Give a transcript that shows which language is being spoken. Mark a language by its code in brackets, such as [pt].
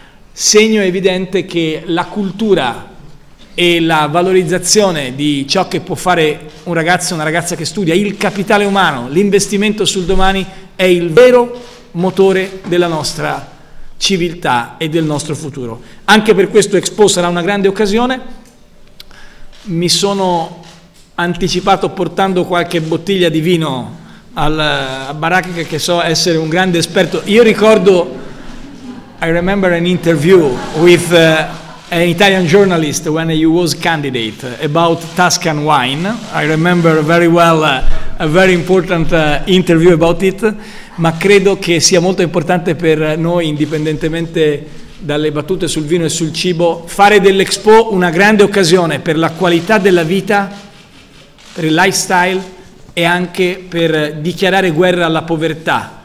[it] segno evidente che la cultura e la valorizzazione di ciò che può fare un ragazzo, una ragazza che studia, il capitale umano, l'investimento sul domani è il vero motore della nostra civiltà e del nostro futuro. Anche per questo Expo sarà una grande occasione. Mi sono anticipato portando qualche bottiglia di vino a Barack, che so essere un grande esperto. Io ricordo, [en] I remember an interview with an Italian journalist when he was candidate about Tuscan wine. I remember very well a very important interview about it. [it] Ma credo che sia molto importante per noi, indipendentemente dalle battute sul vino e sul cibo, fare dell'Expo una grande occasione per la qualità della vita, per il lifestyle e anche per dichiarare guerra alla povertà.